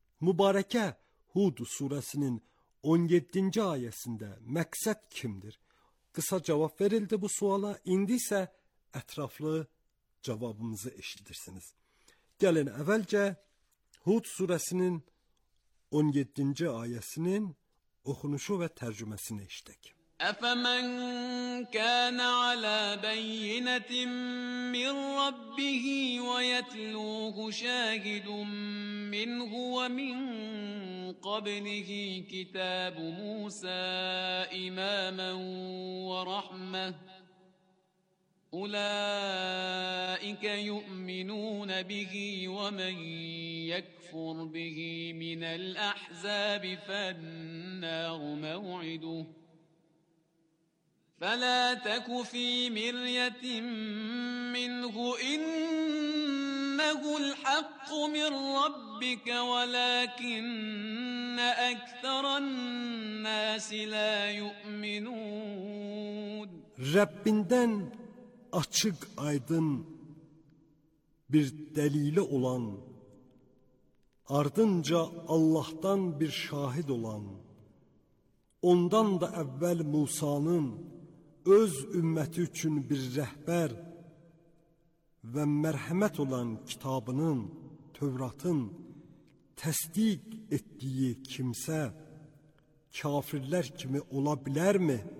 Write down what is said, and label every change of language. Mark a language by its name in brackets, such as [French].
[Azerbaijani] Mübarəkə Hud surəsinin 17-ci ayəsində məqsəd kimdir? Qısa cavab verildi bu suala, indi isə ətraflı cavabımızı eşidirsiniz. Gəlin əvvəlcə Hud surəsinin 17-ci ayəsinin oxunuşu və tərcüməsini eşidək. [Arabic] أَفَمَنْ كَانَ عَلَى بَيِّنَةٍ مِّنْ رَبِّهِ وَيَتْلُوهُ شَاهِدٌ مِّنْهُ وَمِنْ قَبْلِهِ كِتَابُ مُوسَى إِمَامًا وَرَحْمَةً أولئك يؤمنون به ومن يكفر به من الأحزاب فالنار موعده فلا تك في مرية منه إنه الحق من ربك ولكن أكثر الناس لا يؤمنون. [Azerbaijani] Rəbbindən açıq aydın bir dəlili olan, ardınca Allahdan bir şahid olan, ondan da əvvəl Musanın öz ümməti üçün bir rəhbər və mərhəmət olan kitabının, Tövratın təsdiq etdiyi kimsə kafirlər kimi ola bilərmi?